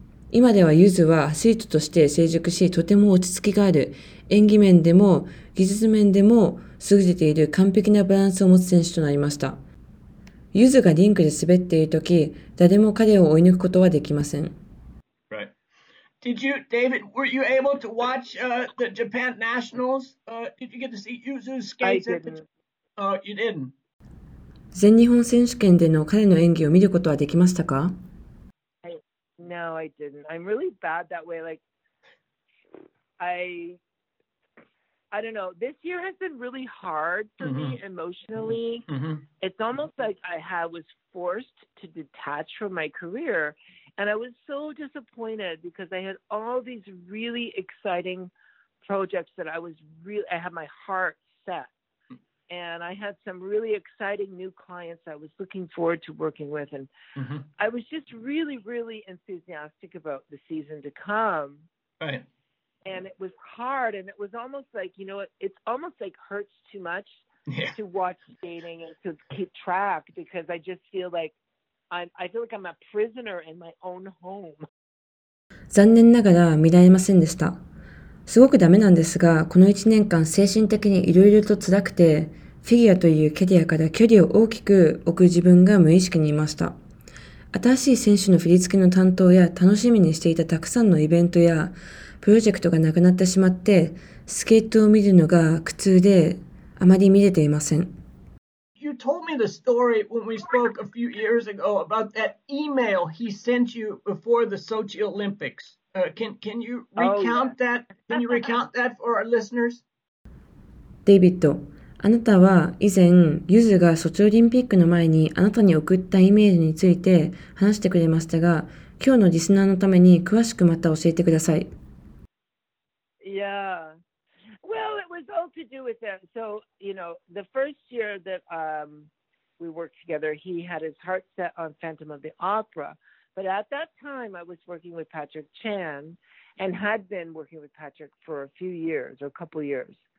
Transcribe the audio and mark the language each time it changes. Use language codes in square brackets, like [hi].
[ja] 今ではユズはアスリートとして成熟し、とても落ち着きがある、演技面でも技術面でも優れている完璧なバランスを持つ選手となりました。ユズがリンクで滑っているとき、誰も彼を追い抜くことはできません。 [en] Did you, David, were you able to watch the Japan Nationals? Did you get to see Yuzu's skates? You didn't. [ja] 全日本選手権での彼の演技を見ることはできましたか? [en] No, I didn't. I'm really bad that way. Like, I don't know. This year has been really hard for me emotionally. It's almost like I was forced to detach from my career. And I was so disappointed because I had all these really exciting projects that I had my heart set. And I had some really exciting new clients I was looking forward to working with. And I was just really, really enthusiastic about the season to come. Right. And it was hard. And it was almost like, you know, it's almost like hurts too much to watch skating and to keep track because I just feel like I feel like I'm a prisoner in my own home. [ja] 残念ながら見られませんでした。すごくダメなんですが、この1年間精神的にいろいろと辛くて、フィギュアというキャリアから距離を大きく置く自分が無意識にいました。新しい選手の振り付けの担当や楽しみにしていたたくさんのイベントやプロジェクトがなくなってしまって、スケートを見るのが苦痛であまり見れていません。 [en] You told me the story when we spoke a few years ago about that email he sent you before the Sochi Olympics. Can you recount that? Can you recount that for our listeners? [ja] David, あなたは以前ユズがソチオリンピックの前にあなたに送ったイメージについて話してくれましたが、今日のリスナーのために詳しくまた教えてください。 [en] Yeah. Well, it was all to do with that. So, you know, the first year that we worked together, he had his heart set on Phantom of the Opera. But at that time, I was working with Patrick Chan and had been working with Patrick for a few years or a couple years.